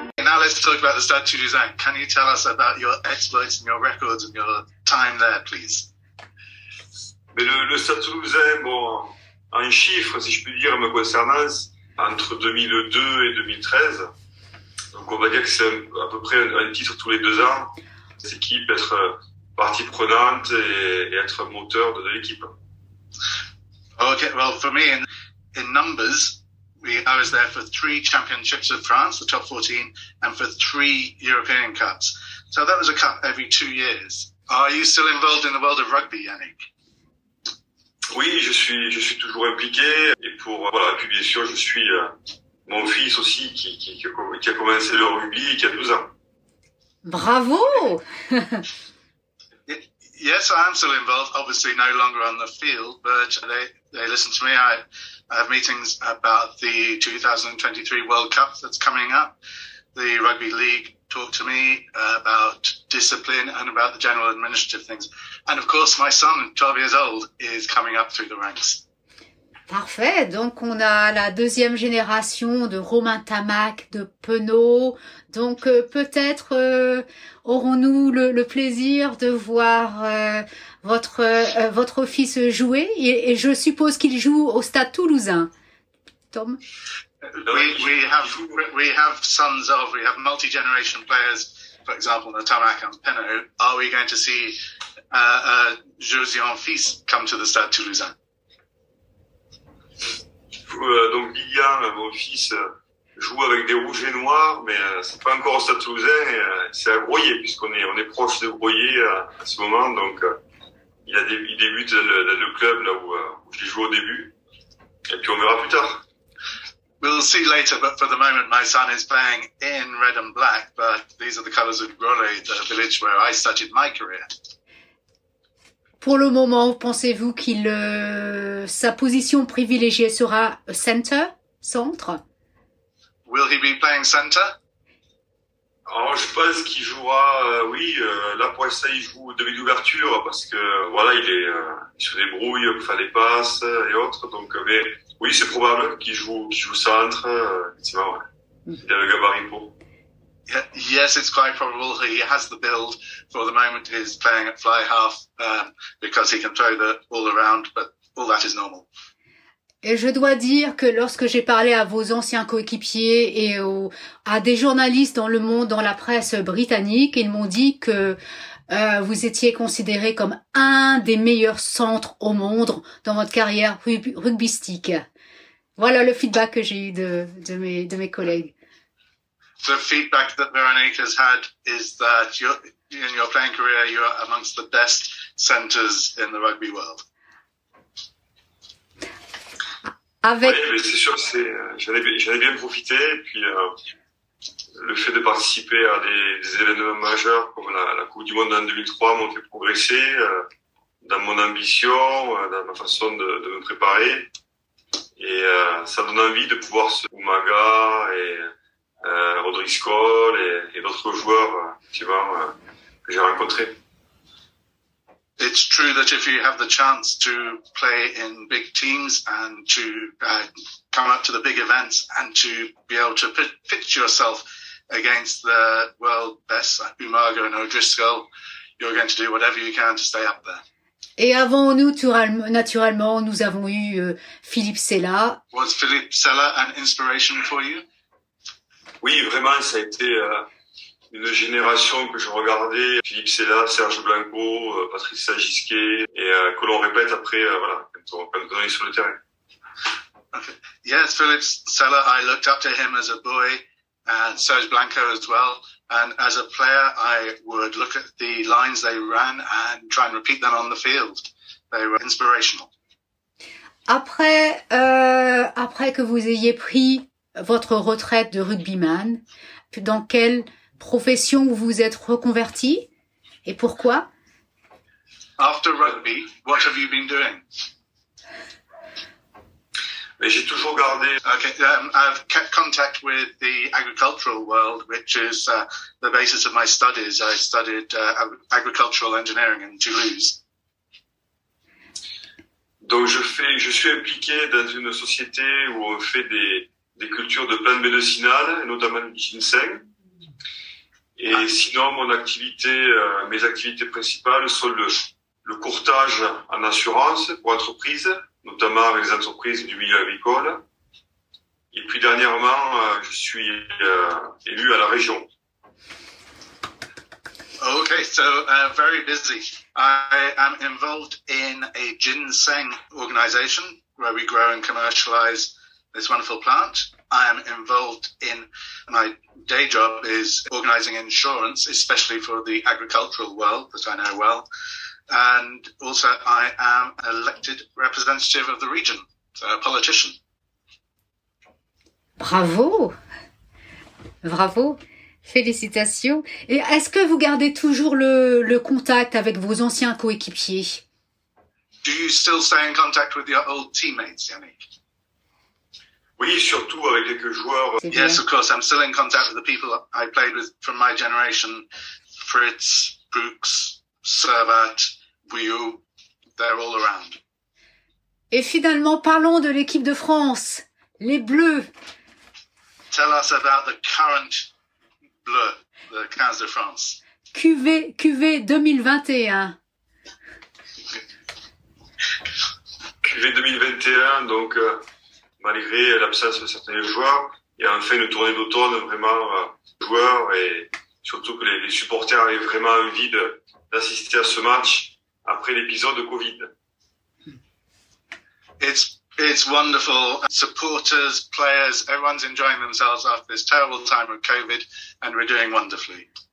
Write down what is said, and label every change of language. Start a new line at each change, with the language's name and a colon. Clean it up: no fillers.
English: Now let's talk about the Stade Toulousain. Can you tell us about your exploits and your records and your time there, please?
French: Mais le Stade Toulousain, bon... En chiffres, si je puis dire, me concernant, entre 2002 et 2013, donc on va dire que c'est à peu près un titre tous les deux ans, cette équipe être partie prenante et être moteur de l'équipe.
English: Okay, well, for me, in numbers, I was there for 3 championships of France, the top 14, and for 3 European Cups. So that was a cup every 2 years. Are you still involved in the world of rugby, Yannick?
French: Oui, je suis toujours impliqué. Et pour, voilà, puis bien sûr, je suis mon fils aussi qui a commencé le rugby il y a 12 ans. Bravo!
English: Yes, I am still involved. Obviously, no longer on the field, but they listen to me. I have meetings about the 2023 World Cup that's coming up. The Rugby League talk to me about discipline and about the general administrative things. And of course, my son, 12 years old, is coming up through the ranks.
French: Parfait. Donc, on a la deuxième génération de Romain Tamac, de Penaud. Donc, peut-être aurons-nous le plaisir de voir votre fils jouer. Et je suppose qu'il joue au Stade Toulousain. Tom?
English: We have sons of, we have multi-generation players, for example, Tamac and Penaud. Are we going to see Jauzion fils come to the Stade Toulousain?
French: Donc Lilian, mon fils, joue avec des rouges et noirs, mais c'est pas encore au Stade Toulousain, c'est à Broyer, puisqu'on est proche de Broyer à ce moment, donc il débute le club là où j'ai joué au début, et puis on verra plus tard.
English: We'll see later, but for the moment, my son is playing in red and black, but these are the colours of Grolle, the village where I started my career.
French: Pour le moment, pensez-vous qu'il sa position privilégiée sera centre?
English: Will he be playing centre?
French: Alors, je pense qu'il jouera, là pour ça, il joue demi d'ouverture, parce que, voilà, il se débrouille pour faire les passes et autres, mais oui, c'est probable qu'il joue centre, effectivement, ouais. Il a le gabarit pour.
English: Yes, it's quite probable he has the build. For the moment, he's playing at fly half because he can throw the ball around, but all that is normal.
French: Et je dois dire que lorsque j'ai parlé à vos anciens coéquipiers et à des journalistes dans le monde, dans la presse britannique, ils m'ont dit que vous étiez considéré comme un des meilleurs centres au monde dans votre carrière rugbystique. Voilà le feedback que j'ai eu de mes collègues.
English: The feedback that Veronica's had is that in your playing career, you're amongst the best centres in the rugby world.
French: Avec... Oui, mais c'est sûr, j'en ai bien profité. Et puis, le fait de participer à des événements majeurs comme la Coupe du Monde en 2003 m'ont fait progresser dans mon ambition, dans ma façon de me préparer. Et ça donne envie de pouvoir se Umaga et Rodrigue Scholl et d'autres joueurs que j'ai rencontrés.
English: It's true that if you have the chance to play in big teams and to come up to the big events and to be able to pitch yourself against the world best Umaga and O'Driscoll, you're going to do whatever you can to stay up there.
French: Et avant nous, naturellement, nous avons eu Philippe Sella.
English: Was Philippe Sella an inspiration for you?
French: Oui, vraiment, ça a été... une génération que je regardais, Philippe Sella, Serge Blanco, Patrice Sagisquet, et que l'on répète après, voilà, quand on est sur le terrain.
English: Okay. Yes, Philippe Sella, I looked up to him as a boy, and Serge Blanco as well, and as a player, I would look at the lines they ran and try and repeat them on the field. They were inspirational.
French: Après que vous ayez pris votre retraite de rugbyman, dans quelle profession où vous êtes reconverti et pourquoi?
English: After rugby, what have you been doing?
French: Mais j'ai toujours gardé.
English: Okay, I've kept contact with the agricultural world, which is the basis of my studies. I studied agricultural engineering in Toulouse.
French: Donc je suis impliqué dans une société où on fait des cultures de plantes médicinales, notamment du ginseng. Et sinon, mes activités principales sont le courtage en assurance pour entreprises, notamment avec les entreprises du milieu agricole. Et puis dernièrement, je suis élu à la région.
English: Okay, so very busy. I am involved in a ginseng organization where we grow and commercialize this wonderful plant. I am involved in my day job is organizing insurance, especially for the agricultural world that I know well. And also I am an elected representative of the region, so a politician.
French: Bravo. Bravo. Félicitations. Et est-ce que vous gardez toujours le contact avec vos anciens coéquipiers?
English: Do you still stay in contact with your old teammates, Yannick?
French: Oui, surtout avec quelques joueurs.
English: Yes, of course. I'm still in contact with the people I played with from my generation. Fritz, Brooks, Servat, Wiu, they're all around.
French: Et finalement, parlons de l'équipe de France, les Bleus.
English: Tell us about the current Bleu, the 15 de France.
French: QV 2021. QV 2021, donc... malgré l'absence de certains joueurs, et enfin une tournée d'automne vraiment joueurs et surtout que les supporters avaient vraiment envie d'assister à ce match après l'épisode de Covid.
English: It's wonderful. Supporters, players, everyone's enjoying themselves after this terrible time of Covid and we're doing wonderfully.